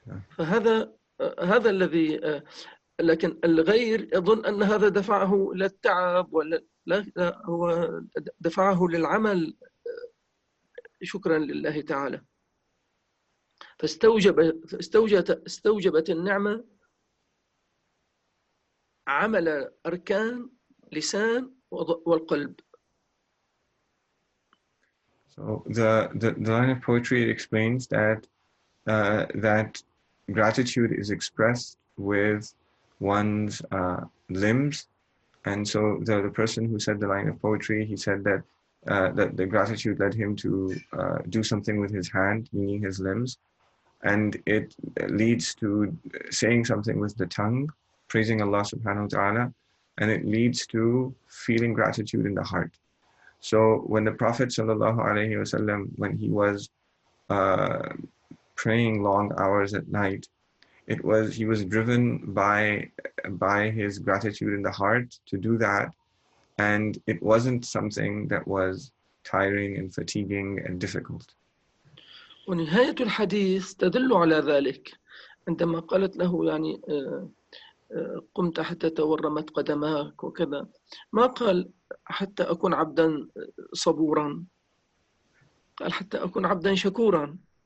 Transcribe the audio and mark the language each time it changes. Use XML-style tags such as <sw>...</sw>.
<ar>فهذا الذي، لكن الغير يظن أن هذا دفعه للتعب ولا لا، هو دفعه للعمل شكرا لله تعالى، فاستوجبت النعمة عمل أركان لسان والقلب.</ar> <en>So the line of poetry explains that that gratitude is expressed with one's limbs, and so the person who said the line of poetry, he said that that the gratitude led him to do something with his hand, meaning his limbs, and it leads to saying something with the tongue, praising Allah subhanahu wa ta'ala, and it leads to feeling gratitude in the heart. So when the Prophet sallallahu alaihi wasallam, when he was praying long hours at night, he was driven by his gratitude in the heart to do that, and it wasn't something that was tiring and fatiguing and difficult.</en> <ar>ونهاية الحديث تدل على ذلك، عندما قالت له يعني قمت حتى تورمت قدماك وكذا، ما قال حتى أكون عبدا صبورا، قال حتى أكون عبدا شكورا.</ar>